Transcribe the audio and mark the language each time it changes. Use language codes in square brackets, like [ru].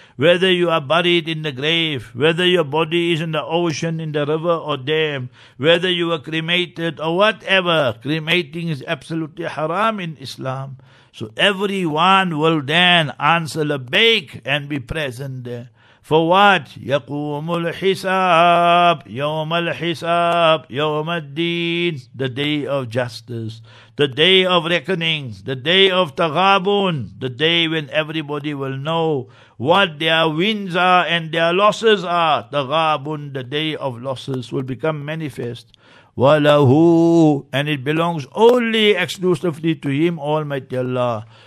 [en] Whether you are buried in the grave, whether your body is in the ocean, in the river or dam, whether you were cremated or whatever. Cremating is absolutely haram in Islam. So everyone will then answer labbaik and be present there. For what? [ar] يقوم الحساب يوم الحساب يوم الدين. [en] The day of justice, the day of reckoning, the day of تغابون, the day when everybody will know what their wins are and their losses are. تغابون, the day of losses, will become manifest. [ar] وَلَهُ, [en] and it belongs only exclusively to him, Almighty Allah.